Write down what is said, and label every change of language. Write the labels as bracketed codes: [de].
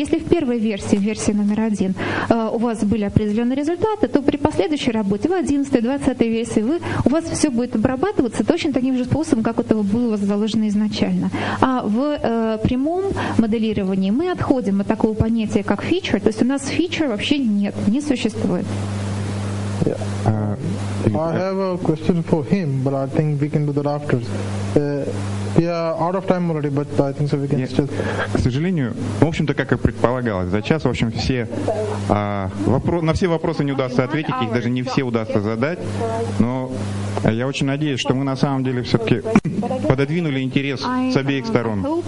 [ru] Если в первой версии, в версии номер один, у вас были определенные результаты, то при последующей работе, в 11-й, 20-й версии, у вас все будет обрабатываться точно таким же способом, как это было у вас заложено изначально. А в прямом моделировании мы отходим от такого понятия, как фичер, то есть у нас фичер вообще нет, не существует. [en] I have a question for him, but I think we can do that after. We are out of time already, but I think so we can still... [ru] К сожалению, в общем-то, как и предполагалось, за час, в общем, все на все вопросы не удастся ответить, их даже не все удастся задать, но я очень надеюсь, что мы на самом деле все-таки пододвинули интерес с обеих сторон.